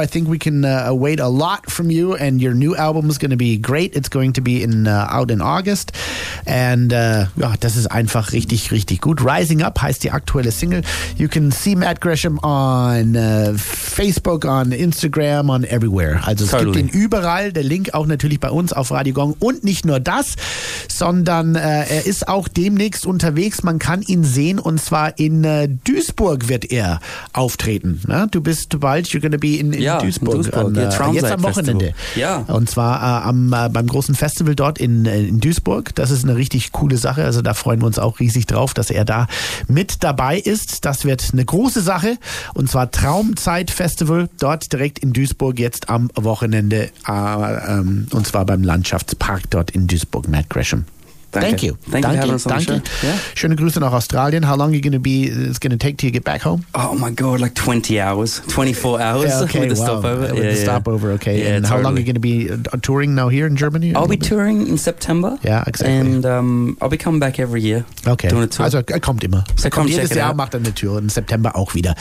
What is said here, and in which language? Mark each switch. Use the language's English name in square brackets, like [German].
[English] I think we can await a lot from you, and your new album is going to be great. It's going to be out in August. [German] And ja, das ist einfach richtig, richtig gut. Rising Up heißt die aktuelle Single. [English] You can see Matt Gresham on Facebook, on Instagram, on everywhere. [German] Also totally. Es gibt ihn überall. Der Link auch natürlich bei uns auf Radio Gong. Und nicht nur das, sondern er ist auch demnächst unterwegs. Man kann ihn sehen, und zwar in Duisburg wird er auftreten. Ne? Du bist bald, [English] you're gonna be in Duisburg. [German] Jetzt am Wochenende. Ja. Und zwar beim großen Festival dort in Duisburg. Das ist eine richtig coole Sache. Also da freuen wir uns auch riesig drauf, dass er da mit dabei ist. Das wird eine große Sache. Und zwar Traumzeit Festival dort direkt in Duisburg jetzt am Wochenende. Und zwar beim Landschaftspark dort in Duisburg, Matt Gresham. Danke. [English] Thank you. Thank you. [German] Schöne Grüße nach Australien. [English] How long are you going to be, it's going to take till you get back home? Oh my God, like 20 hours, 24 hours. Yeah, okay, with wow. The stopover. Okay. Yeah, and totally. How long are you going to be touring now here in Germany? I'll be touring in September. Yeah, exactly. And I'll be coming back every year. Okay. Doing a tour. [German] Also er kommt immer. So er kommt jedes Jahr, macht eine Tour in September auch wieder.